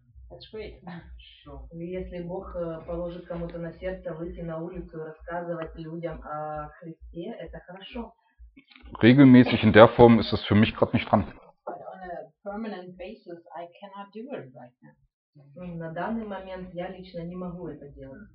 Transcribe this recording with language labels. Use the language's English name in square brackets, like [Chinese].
[English] that's great. [Russian] Если Бог положит кому-то на сердце выйти на улицу и рассказывать людям о Христе, это хорошо. [German] Regelmäßig in der Form ist es für mich gerade nicht dran. [English] But on a permanent basis, I cannot do it right now. [Russian] На данный момент я лично не могу это делать.